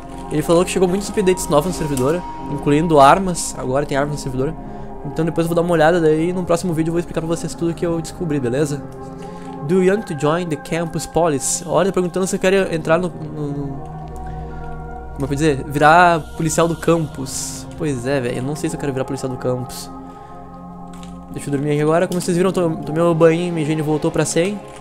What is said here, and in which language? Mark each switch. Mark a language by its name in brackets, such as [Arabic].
[Portuguese] Ele falou que chegou muitos updates novos no servidor, incluindo armas. Agora tem armas no servidor. Então depois eu vou dar uma olhada daí e no próximo vídeo eu vou explicar pra vocês tudo que eu descobri, beleza? [English] Do you want to join the campus police? [Portuguese] Olha, perguntando se eu quero entrar no Como eu podia dizer? Virar policial do campus. Pois é, velho. Eu não sei se eu quero virar policial do campus. Deixa eu dormir aqui agora. Como vocês viram, tomei meu banho e minha higiene voltou pra 100.